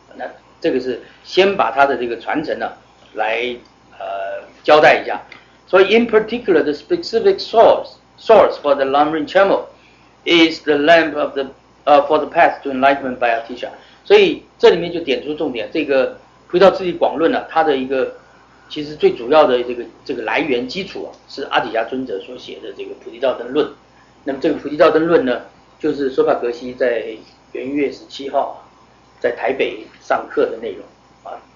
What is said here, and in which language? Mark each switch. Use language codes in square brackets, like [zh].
[zh] 那这个是先把它的这个传承呢来交代一下。所以 [en] in particular the specific source for the Lamrim Chamo is the lamp of the for the path to enlightenment by Atisha。 [zh] 所以这里面就点出重点，这个佛教次第广论呢、啊、它的一个其实最主要的这个来源基础、啊、是阿底峡尊者所写的这个菩提道灯论。那么这个菩提道灯论呢，就是说法格西在元月17号在台北上课的内容啊。